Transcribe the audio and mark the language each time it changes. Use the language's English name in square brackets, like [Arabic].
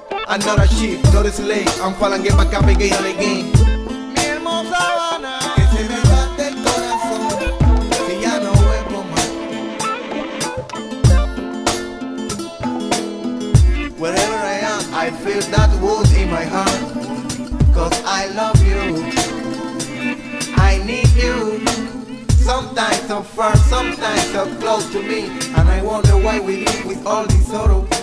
[English] I'm not a sheep, not a slave. I'm falling, get back up again and again. [Spanish] Mi hermosa Habana, que se me bate el corazón, si ya no vuelvo más. [English] Wherever I am, I feel that wound in my heart. Cause I love you, I need you. Sometimes so far, sometimes so close to me. And I wonder why we live with all this sorrow.